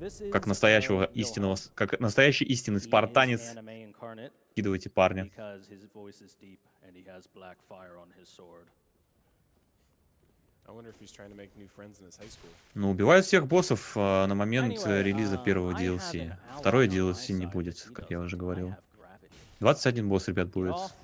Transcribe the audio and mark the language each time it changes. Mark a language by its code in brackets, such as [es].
[ru] Как настоящего истинного, как настоящий истинный спартанец, скидывайте парня. [en] And he has black fire on his sword. I wonder if he's trying to make new friends in his high school. [ru] Ну, убивают всех боссов на момент релиза первого DLC. Второе DLC не будет, как я уже говорил. 21 босс, ребят, будет.